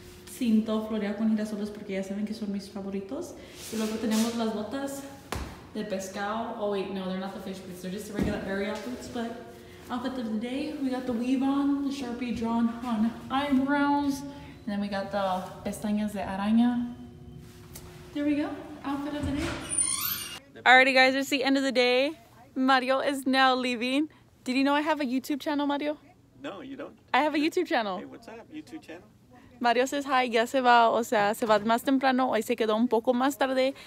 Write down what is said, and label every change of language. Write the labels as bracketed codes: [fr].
[es] Cinto floreado con girasoles, porque ya saben que son mis favoritos. Y luego tenemos las botas. The pescao. [en] Oh wait, no, they're not the fish boots. They're just the regular area boots. But outfit of the day, we got the weave on, the Sharpie drawn on eyebrows, and then we got the [es] pestañas de araña. [en] There we go. Outfit of the day. Alrighty, guys, it's the end of the day. Mario is now leaving. Did you know I have a YouTube channel, Mario? No, you don't. I have a YouTube channel. Hey, what's up? YouTube channel. Mario says hi, [es] ya se va, o sea, se va más temprano, hoy se quedó un poco más tarde.